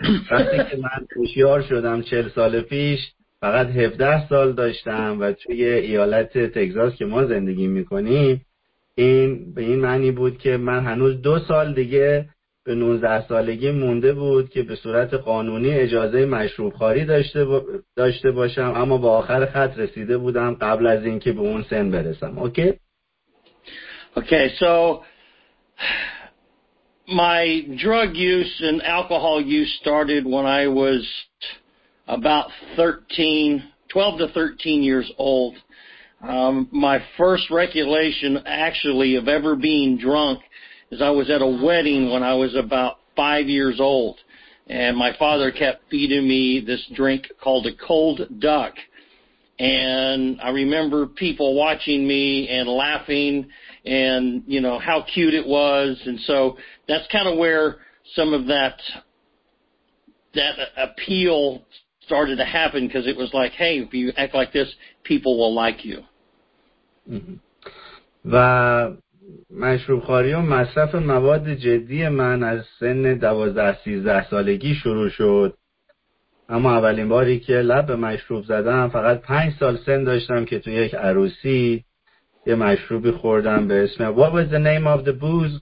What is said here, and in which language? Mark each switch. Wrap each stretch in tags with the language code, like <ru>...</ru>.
<fa>وقتی که من هوشیار شدم 40 سال پیش، فقط 17 سال داشتم و توی ایالت تگزاس که ما زندگی میکنیم، این به این معنی بود که من هنوز 2 دیگه به 19 سالگی مونده بود که به صورت قانونی اجازه مشروب خواری داشته باشم، اما با آخر خط رسیده بودم قبل از این که به اون سن برسم.</fa> <en>Okay so my drug use and alcohol use started when I was about 12 to 13 years old. My first recollection actually of ever being drunk is I was at a wedding when I was about 5 years old, and my father kept feeding me this drink called a cold duck, and I remember people watching me and laughing and, you know, how cute it was. And so that's kind of where some of that appeal started to happen, because it was like, hey, if you act like this, people will like you.</en> <fa>و مشروب خوری و مصرف مواد جدی من از سن 12-13 سالگی شروع شد. اما اولین باری که لب به مشروب زدم، فقط 5 سال سن داشتم که تو یک عروسی یه مشروبی خوردم به اسم What was the name of the booze?</fa>